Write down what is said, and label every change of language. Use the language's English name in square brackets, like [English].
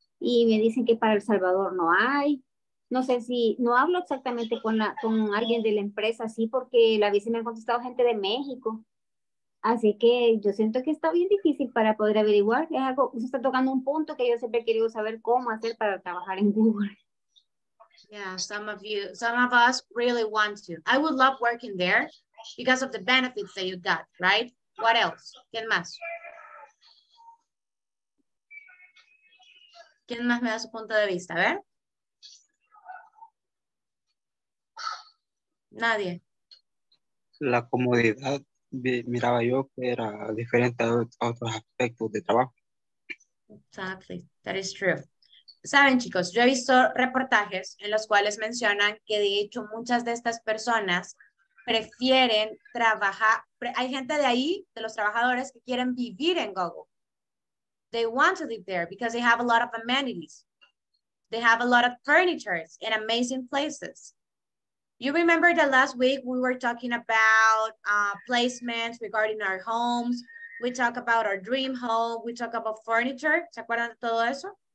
[Spanish] Y me dicen que para El Salvador no hay. No sé si, no hablo exactamente con alguien de la empresa, sí, porque a veces me han contestado gente de México. Así que yo siento que está bien difícil para poder averiguar. Es algo, se está tocando un punto que yo siempre he querido saber cómo hacer para trabajar en Google. [English] Yeah, some of us really want to. I would love working there because of the benefits that you got, right? What else? [Spanish] ¿Quién más? ¿Quién más me da su punto de vista? A ver. Nadie. La comodidad. Miraba yo que era diferente a otros aspectos de trabajo. [English] Exactly, that is true. [Spanish] Saben, chicos, yo he visto reportajes en los cuales mencionan que de hecho muchas de estas personas prefieren trabajar, hay gente de ahí, de los trabajadores, que quieren vivir en Google. [English] They want to live there because they have a lot of amenities. They have a lot of furniture in amazing places. You remember that last week we were talking about placements regarding our homes. We talked about our dream home. We talked about furniture. [Spanish] ¿Se acuerdan de todo eso?